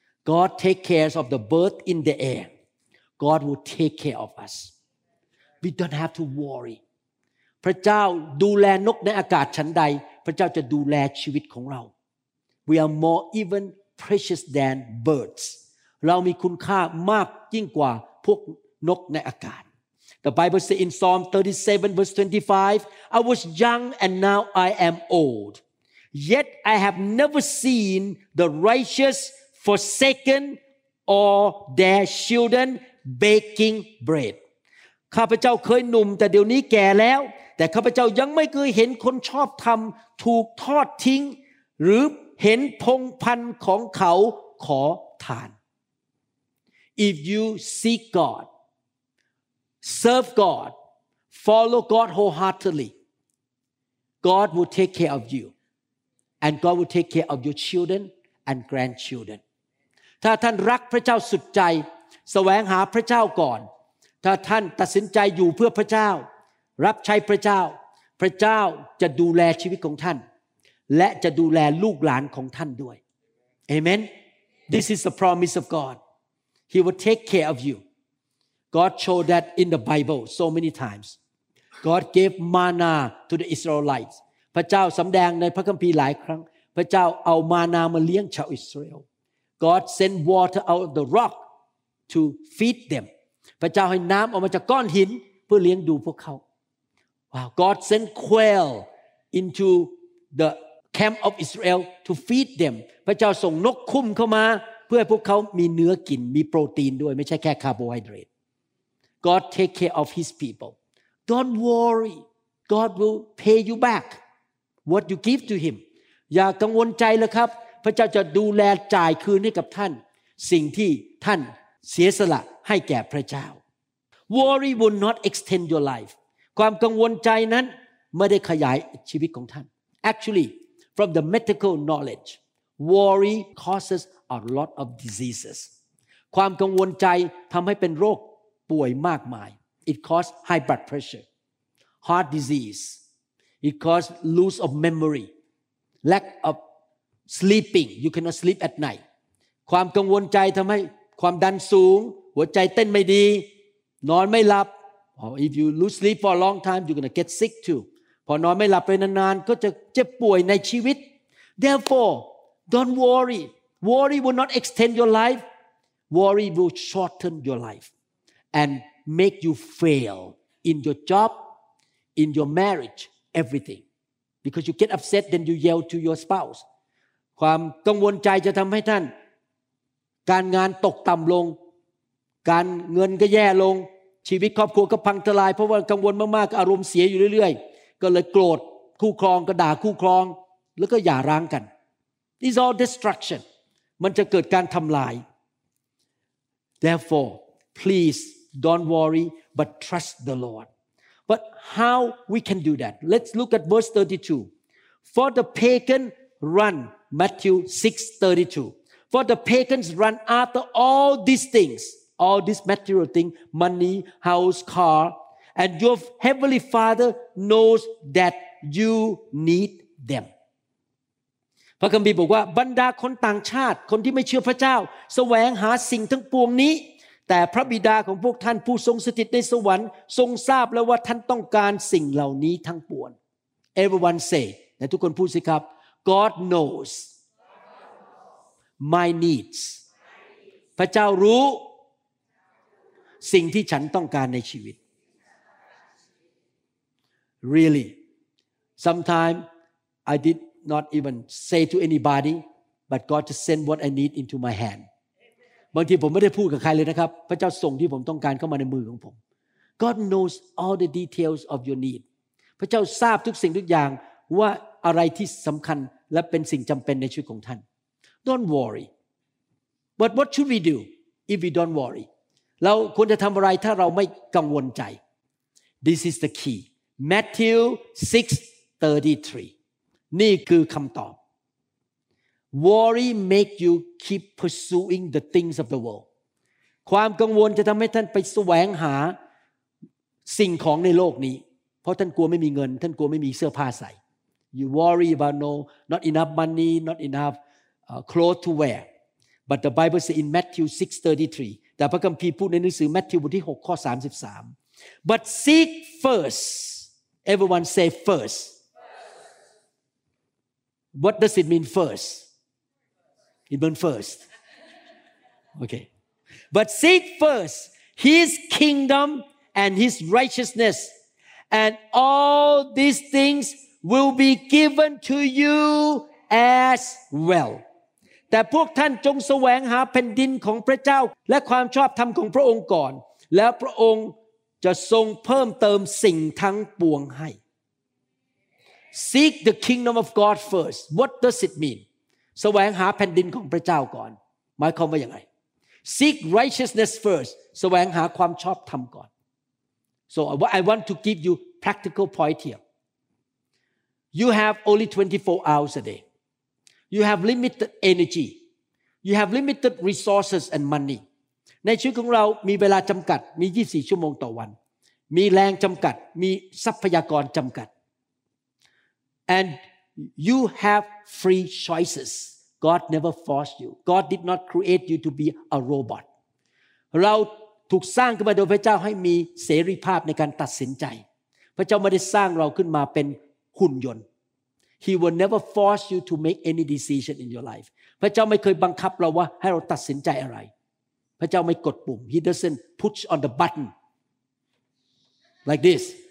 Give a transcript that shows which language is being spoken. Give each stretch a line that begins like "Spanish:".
English: God take cares of the birth in the air God will take care of us we don't have to worry
Thai: พระเจ้าดูแลนกในอากาศชั้นใดพระเจ้าจะดูแลชีวิตของเรา
English: we are more even precious than birds
Thai: เรามีคุณค่ามากยิ่งกว่าพวกนกในอากาศ
English: The Bible says in Psalm 37 verse 25, I was young and now I am old. Yet I have never seen the righteous forsaken or their children baking bread.
Thai: ข้าพเจ้าเคยหนุ่มแต่เดี๋ยวนี้แก่แล้วแต่ข้าพเจ้ายังไม่เคยเห็นคนชอบธรรมถูกทอดทิ้งหรือเห็นพงพันธุ์ของเขาขอทาน
English: If you seek Godserve God follow God wholeheartedly God will take care of you and God will take care of your children and grandchildren
Thai: ถ้าท่านรักพระเจ้าสุดใจแสวงหาพระเจ้าก่อนถ้าท่านตัดสินใจอยู่เพื่อพระเจ้ารับใช้พระเจ้าพระเจ้าจะดูแลชีวิตของท่าน และจะดูแลลูกหลานของท่านด้วย
English: Amen This is the promise of God He will take care of youGod showed that in the Bible so many times. God gave manna to the Israelites.
Thai: พระเจ้าสำแดงในพระคัมภีร์หลายครั้งพระเจ้าเอามานามาเลี้ยงชาวอิสราเอล
English: God sent water out of the rock to feed them.
Thai: พระเจ้าให้น้ำออกมาจากก้อนหินเพื่อเลี้ยงดูพวกเขา
English: Wow. God sent quail into the camp of Israel to feed them.
Thai: พระเจ้าส่งนกคุ้มเข้ามาเพื่อให้พวกเขามีเนื้อกินมีโปรตีนด้วยไม่ใช่แค่คาร์โบไฮเดรต
English: God take care of his people. Don't worry. God will pay you back what you give to him.
Thai: อย่ากังวลใจเลยครับพระเจ้าจะดูแลจ่ายคืนให้กับท่านสิ่งที่ท่านเสียสละให้แก่พระเจ้า
English: Worry will not extend your life.
Thai: ความกังวลใจนั้นไม่ได้ขยายชีวิตของท่าน
English: Actually, from the medical knowledge, worry causes a lot of diseases. ความกังวลใจทำให้เป็นโรคป่วยมากมาย it cause high blood pressure heart disease it cause loss of memory lack of sleeping you cannot sleep at night
Thai: ความกังวลใจทำให้ความดันสูงหัวใจเต้นไม่ดีนอนไม่หลับ
English: or if you lose sleep for a long time you're going to get sick too
Thai: พอนอนไม่หลับไปนานๆก็จะเจ็บป่วยในชีวิต
English: therefore don't worry worry will not extend your life worry will shorten your life and make you fail in your job, in your marriage, everything. Because you get upset, then you yell to your spouse.
Thai: ความกังวลใจจะทำให้ท่านการงานตกต่ำลงการเงินก็แย่ลงชีวิตครอบครัวก็พังทลายเพราะว่ากังวลมากๆก็อารมณ์เสียอยู่เรื่อยๆก็เลยโกรธคู่ครองก็ด่าคู่ครองแล้วก็หย่าร้างกัน
English: It's all destruction
Thai: มันจะเกิดการทำลาย
English: Therefore please don't worry but trust the Lord But how we can do that Let's look at verse 32 For the pagan run Matthew 6:32 For the pagans run after all these things All this material thing, money, house, car, and your heavenly Father knows that you need them.
Thai: พระคัมภีร์บอกว่าบรรดาคนต่างชาติคนที่ไม่เชื่อพระเจ้าแสวงหาสิ่งทั้งปวงนี้แต่พระบิดาของพวกท่านผู้ทรงสถิตในสวรรค์ทรงทราบแล้วว่าท่านต้องการสิ่งเหล่านี้ทั้งปวง
English: Everyone say,
Thai: และทุกคนพูดสิครับ
English: God knows my needs.
Thai: พระเจ้ารู้สิ่งที่ฉันต้องการในชีวิต
English: Really Sometimes I did not even say to anybody but God just sent what I need into my hand
Thai: บางทีผมไม่ได้พูดกับใครเลยนะครับพระเจ้าส่งที่ผมต้องการเข้ามาในมือของผม
English: God knows all the details of your need
Thai: พระเจ้าทราบทุกสิ่งทุกอย่างว่าอะไรที่สำคัญและเป็นสิ่งจำเป็นในชีวิตของท่าน
English: Don't worry But what should we do if we don't worry
Thai: เราควรจะทำอะไรถ้าเราไม่กังวลใจ
English: This is the key Matthew 6:33
Thai: นี่คือคำตอบ
English: Worry make you keep pursuing the things of the world
Thai: ความกังวลจะทำให้ท่านไปแสวงหาสิ่งของในโลกนี้เพราะท่านกลัวไม่มีเงินท่านกลัวไม่มีเสื้อผ้าใส่
English: You worry about not enough money not enough clothes to wear but the Bible says in Matthew 6:33
Thai: แต่พระคัมภีร์พูดในหนังสือมัทธิวบทที่6ข้อ33
English: But seek first Everyone say first What does it mean first? It means first Okay But seek first His kingdom and His righteousness And all these things will be given to you as well
Thai: แต่พวกท่านจงแสวงหาแผ่นดินของพระเจ้าและความชอบธรรมของพระองค์ก่อนแล้วพระองค์จะทรงเพิ่มเติมสิ่งทั้งปวงให้
English: Seek the kingdom of God first. What does it mean?
Thai: แสวงหาแผ่นดินของพระเจ้าก่อนหมายความว่าอย่างไร
English: Seek righteousness first.
Thai: แสวงหาความชอบธรรมก่อน
English: So I want to give you practical point here. You have only 24 hours a day. You have limited energy. You have limited resources and money.
Thai: ในชีวิตของเรามีเวลาจำกัดมี24ชั่วโมงต่อวันมีแรงจำกัดมีทรัพยากรจำกัด
English: And you have free choices. God never forced you. God did not create you to be a robot.
Thai: เราถูกสร้างขึ้นมาโดยพระเจ้าให้มีเสรีภาพในการตัดสินใจพระเจ้าไม่ได้สร้างเราขึ้นมาเป็นหุ่นยนต์
English: He will never force you to make any decision in your life.
Thai: พระเจ้าไม่เคยบังคับเราว่าให้เราตัดสินใจอะไรพระเจ้าไม่กดปุ่ม
English: He doesn't push on the button like this.